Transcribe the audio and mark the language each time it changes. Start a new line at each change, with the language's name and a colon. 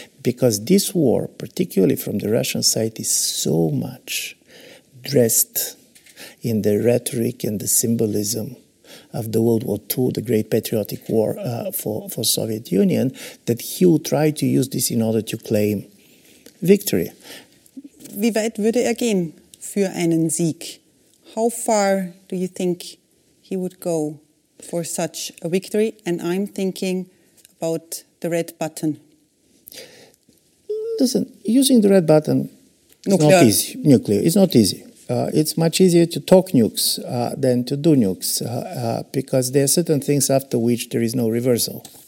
English: Because this war, particularly from the Russian side, is so much dressed in the rhetoric and the symbolism of the World War II, the great patriotic war for Soviet Union, that he will try to use this in order to claim victory.
German: Wie weit würde gehen für einen Sieg?
English: How far do you think he would go for such a victory? And I'm thinking about the red button. Listen, using the red button is not easy. It's much easier to talk nukes than to do nukes because there are certain things after which there is no reversal.